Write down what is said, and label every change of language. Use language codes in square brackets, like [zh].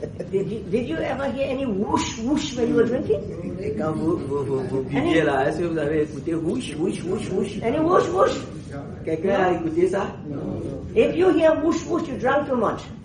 [en] Did you ever hear any whoosh whoosh when you were drinking? [fr] Et quand vous buviez là, est-ce que vous avez écouté whoosh whoosh whoosh whoosh? [en] Any whoosh whoosh? [fr] Quelqu'un a écouté ça? Non. [en] If you hear whoosh whoosh, you drank too much.